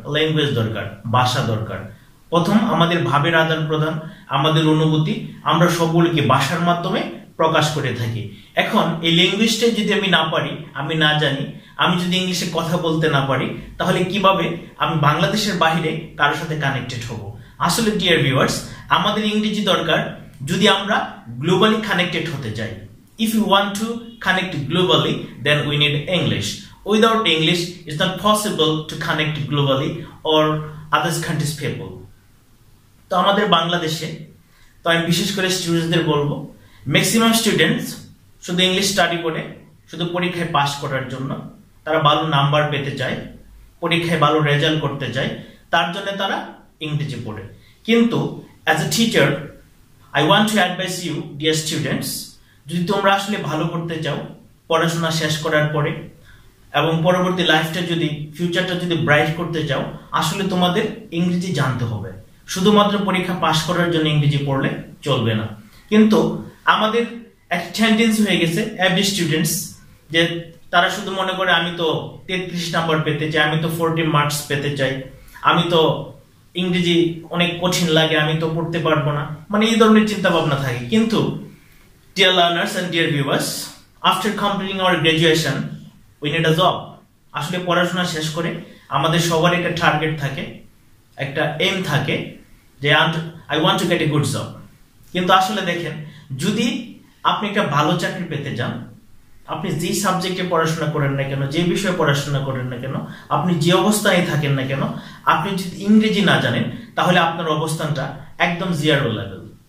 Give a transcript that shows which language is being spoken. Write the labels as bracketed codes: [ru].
[bn] Language দরকার, ভাষা দরকার। প্রথম আমাদের ভাবের আদান প্রদান, আমাদের অনুভূতি আমরা সকলকে ভাষার মাধ্যমে প্রকাশ করে থাকি। এখন এই ল্যাঙ্গুয়েজটা যদি আমি না পারি, আমি না জানি, আমি যদি ইংলিশে কথা বলতে না পারি, তাহলে কিভাবে আমি বাংলাদেশের বাহিরে কারোর সাথে কানেক্টেড হব? আসলে ডিয়ার ভিউয়ার্স, আমাদের ইংরেজি দরকার যদি আমরা গ্লোবালি কানেক্টেড হতে চাই। [en] If you want to connect globally, then we need English. Without English, it's not possible to connect globally or other countries people. [bn] তো আমাদের বাংলাদেশে, তো আমি বিশেষ করে স্টুডেন্টদের বলবো, ম্যাক্সিমাম স্টুডেন্টস শুধু ইংলিশ স্টাডি করে, শুধু পরীক্ষায় পাস করার জন্য, তারা ভালো নাম্বার পেতে চায়, পরীক্ষায় ভালো রেজাল্ট করতে চায়, তার জন্য তারা ইংরেজি পড়ে। কিন্তু [en] as a teacher, I want to advise you dear students, [bn] যদি তোমরা আসলে ভালো করতে চাও পড়াশোনা শেষ করার পরে এবং পরবর্তী লাইফটা যদি, ফিউচারটা যদি ব্রাইট করতে চাও, আসলে তোমাদের ইংরেজি জানতে হবে। শুধুমাত্র পরীক্ষা পাস করার জন্য ইংরেজি পড়লে চলবে না। কিন্তু আমাদের একটা টেন্ডেন্সি হয়ে গেছে [en] every students, [bn] যে তারা শুধু মনে করে আমি তো 33 নম্বর পেতে চাই, আমি তো 40 মার্কস পেতে চাই, আমি তো ইংরেজি অনেক কঠিন লাগে, আমি তো পড়তে পারবো না, মানে এই ধরনের চিন্তাভাবনা থাকে। কিন্তু [en] Dear learners and dear viewers, after completing our graduation, we need a job. [bn] আসলে পড়াশোনা শেষ করে আমাদের সবার একটা টার্গেট থাকে, একটা এম থাকে যে [en] I want to get a good job. [bn] কিন্তু আসলে দেখেন, যদি আপনি একটা ভালো চাকরি পেতে চান, আপনি যে সাবজেক্টে পড়াশোনা করেন না কেন, যে বিষয়ে পড়াশোনা করেন না কেন, আপনি যে অবস্থায় থাকেন না কেন, আপনি যদি ইংরেজি না জানেন, তাহলে আপনার অবস্থানটা একদম জিরো লেভেল।